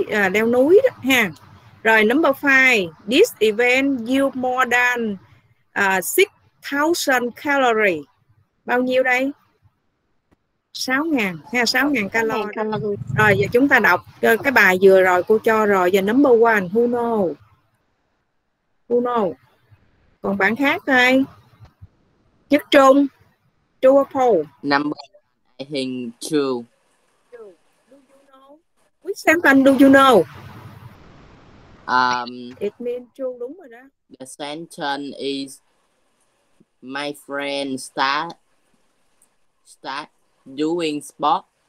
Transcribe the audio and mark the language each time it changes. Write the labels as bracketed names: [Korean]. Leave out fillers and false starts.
[Vietnamese] Leo núi đó ha. Rồi [English] number five, this event yield more than 6,000 calories. [Vietnamese] Bao nhiêu đây? 6,000 ha, 6,000 calo. Rồi giờ chúng ta đọc cái bài vừa rồi cô cho rồi. [English] Giờ number one, who know? [Vietnamese] Còn bạn khác đây? Nhất Trung, [English] true or false? Number one, I think true. Do you know? Which sentence do you know? It means true, [Vietnamese] đúng rồi đó. [English] The sentence is my friend start doing sport.